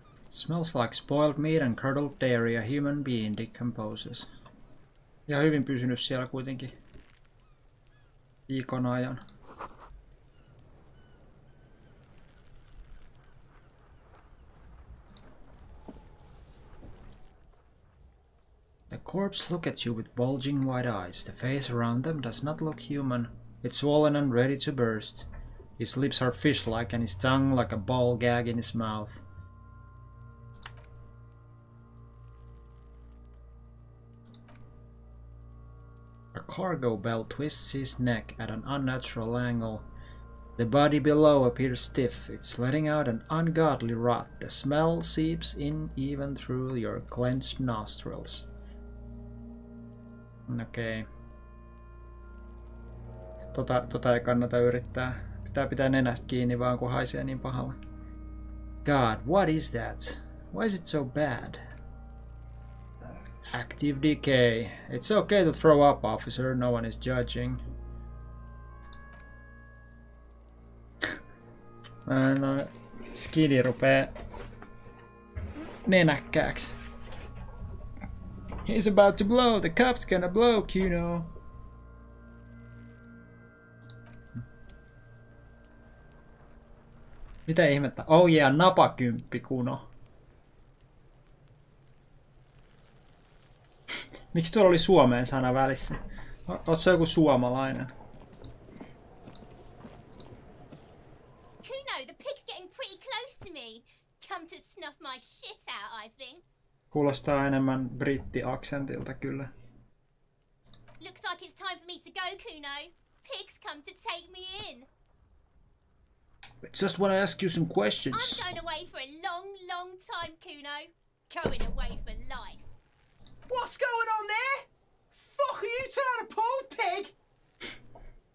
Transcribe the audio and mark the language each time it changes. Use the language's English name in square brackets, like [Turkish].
[English] Smells like spoiled meat and curdled dairy a human being decomposes. [Finnish] Ja hyvin pysynyt siellä kuitenkin viikon ajan. [English] Corpse look at you with bulging white eyes. The face around them does not look human. It's swollen and ready to burst. His lips are fish-like and his tongue like a ball gag in his mouth. A cargo belt twists his neck at an unnatural angle. The body below appears stiff. It's letting out an ungodly rot. The smell seeps in even through your clenched nostrils. [Finnish] Okei. Tota ei kannata yrittää. Pitää nenästä kiinni vaan, kun haisee niin pahalla. [English] God, what is that? Why is it so bad? Active decay. It's okay to throw up, officer. No one is judging. [Finnish] No, skidi rupee nenäkkääksi. [English] He's about to blow. The cop's gonna blow, Kuno. [Finnish] Mitä ihmettä? [English] Oh yeah, [Finnish] napakymppi, Kuno. Miksi tuolla oli suomeen sana välissä? Oot sä joku suomalainen? [English] Kuno, the pig's getting pretty close to me. Come to snuff my shit out, I think. [Finnish] Kuulostaa enemmän brittiaksentilta kyllä. [English] Looks like it's time for me to go, Kuno. Pigs come to take me in. I just want to ask you some questions. I'm going away for a long, long time, Kuno. Going away for life. What's going on there? Fuck are you trying to pull, pig?